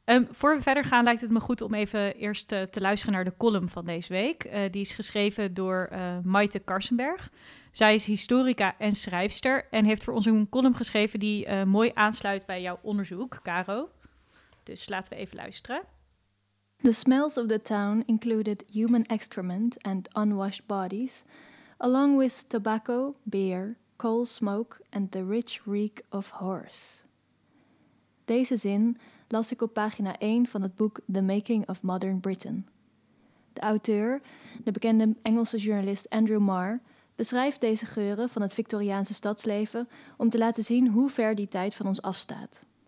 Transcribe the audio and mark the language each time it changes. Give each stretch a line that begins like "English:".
Dutch: Voor we verder gaan lijkt het me goed om even eerst te luisteren naar de column van deze week. Die is geschreven door Maite Karsenberg. Zij is historica en schrijfster. En heeft voor ons een column geschreven die mooi aansluit bij jouw onderzoek, Caro. Dus laten we even luisteren.
English: The smells of the town included human excrement and unwashed bodies, along with tobacco, beer, coal smoke and the rich reek of horse.
Dutch: Deze zin las ik op pagina 1 van het boek The Making of Modern Britain. De auteur, de bekende Engelse journalist Andrew Marr, beschrijft deze geuren van het Victoriaanse stadsleven om te laten zien hoe ver die tijd van ons afstaat.